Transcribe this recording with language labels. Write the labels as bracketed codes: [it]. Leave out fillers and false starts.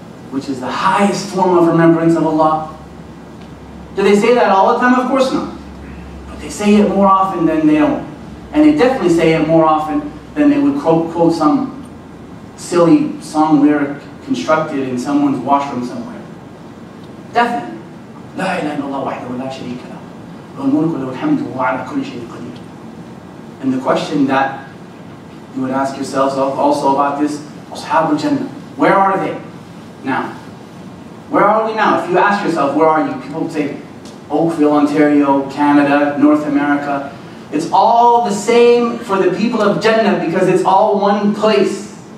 [en] Which is the highest form of remembrance of Allah. Do they say that all the time? Of course not. They say it more often than they don't. And they definitely say it more often than they would quote some silly song lyric constructed in someone's washroom somewhere. Definitely. [ar] لا إله إلا الله وحده لا شريك له له الملك وله الحمد وهو على كل شيء قدير. [en] And the question that you would ask yourselves of also about this, أصحاب الجنة, where are they now? Where are we now? If you ask yourself, where are you? People would say, Oakville, Ontario, Canada, North America. It's all the same for the people of Jannah because it's all one place.